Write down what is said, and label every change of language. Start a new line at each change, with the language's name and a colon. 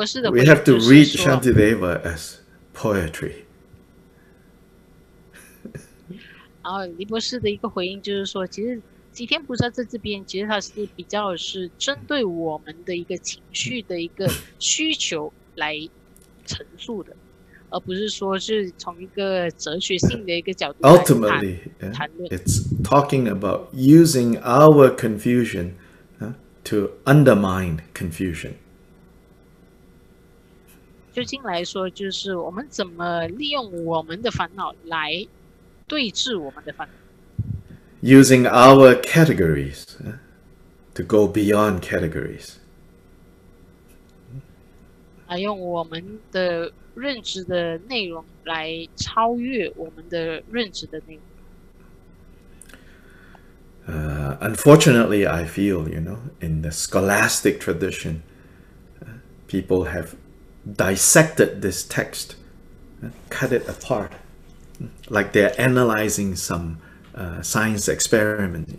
English: We have to read Shantideva as poetry.
Chinese: 然后黎博士的一个回应就是说，其实吉天菩萨在这边，其实他是比较是针对我们的一个情绪的一个需求来陈述的，而不是说是从一个哲学性的一个角度来谈。
English: Ultimately, it's talking about using our confusion to undermine confusion.
Chinese: 究竟来说，就是我们怎么利用我们的烦恼来对治我们的烦恼
English: ？Using our categories to go beyond categories，
Chinese: 来用我们的认知的内容来超越我们的认知的内容。
English: Unfortunately, I feel you know in the scholastic tradition, people have. Dissected this text, cut it apart, like they're analyzing some science experiment.